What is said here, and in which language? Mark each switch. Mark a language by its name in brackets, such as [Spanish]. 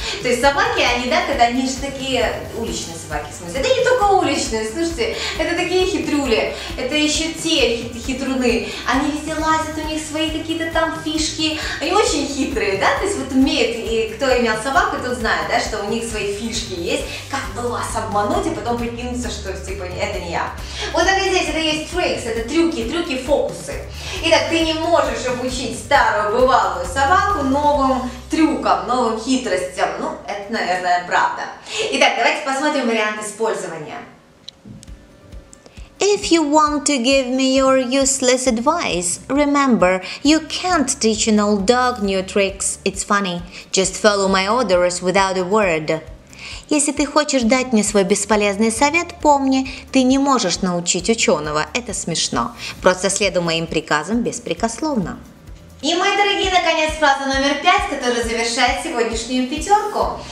[Russian] То есть собаки, они, да, когда они же такие уличные собаки, в смысле, да не только уличные, слушайте, это такие хитрули, это еще те хитруны, они везде лазят, у них свои какие-то там фишки, они очень хитрые, да, то есть вот умеют, и кто имел собаку, тот знает, да, что у них свои фишки есть, как бы вас обмануть, и потом прикинуться, что, типа, это не я. Вот так и здесь, это есть tricks, это трюки, фокусы. Итак, ты не можешь обучить старую бывалую собаку новым трюкам, новым хитростям. Ну, это, наверное, правда. Итак, давайте посмотрим вариант использования. [English] If you want to give me your useless advice, remember, you can't teach an old dog new tricks. It's funny. Just follow my orders without a word. [Russian] Если ты хочешь дать мне свой бесполезный совет, помни, ты не можешь научить ученого, это смешно. Просто следуй моим приказам беспрекословно. И, мои дорогие, наконец, фраза номер 5, которая завершает сегодняшнюю пятерку.